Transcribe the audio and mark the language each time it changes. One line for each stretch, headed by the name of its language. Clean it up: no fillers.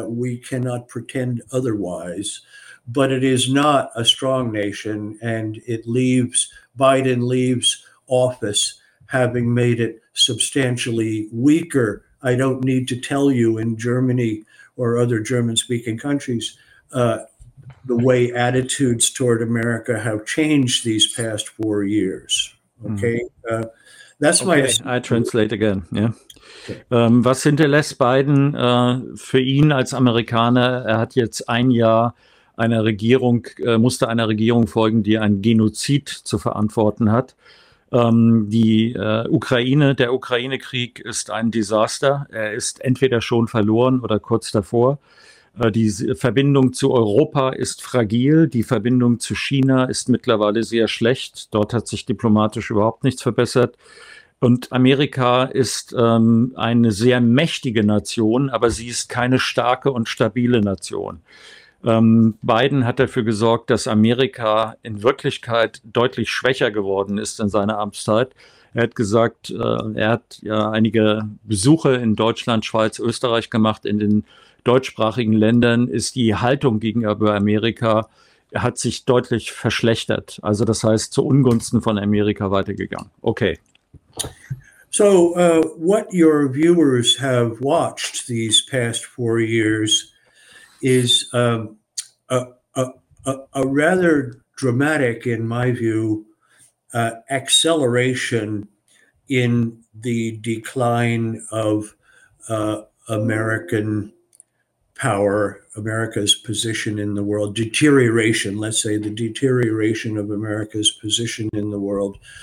English: We cannot pretend otherwise, but it is not a strong nation, and Biden leaves office having made it substantially weaker. I don't need to tell you in Germany or other German-speaking countries the way attitudes toward America have changed these past 4 years. Okay. Mm-hmm. That's okay, my. I translate again. Yeah.
German: Was hinterlässt Biden für ihn als Amerikaner? Er hat jetzt ein Jahr einer Regierung, musste einer Regierung folgen, die einen Genozid zu verantworten hat. Die Ukraine, der Ukraine-Krieg ist ein Desaster. Er ist entweder schon verloren oder kurz davor. Die Verbindung zu Europa ist fragil. Die Verbindung zu China ist mittlerweile sehr schlecht. Dort hat sich diplomatisch überhaupt nichts verbessert. Und Amerika ist eine sehr mächtige Nation, aber sie ist keine starke und stabile Nation. Biden hat dafür gesorgt, dass Amerika in Wirklichkeit deutlich schwächer geworden ist in seiner Amtszeit. Er hat gesagt, er hat ja einige Besuche in Deutschland, Schweiz, Österreich gemacht. In den deutschsprachigen Ländern ist die Haltung gegenüber Amerika, hat sich deutlich verschlechtert. Also das heißt, zu Ungunsten von Amerika weitergegangen. Okay.
English: So, what your viewers have watched these past 4 years is a rather dramatic, in my view, acceleration in the decline of American power, America's position in the world, deterioration, let's say the deterioration of America's position in the world.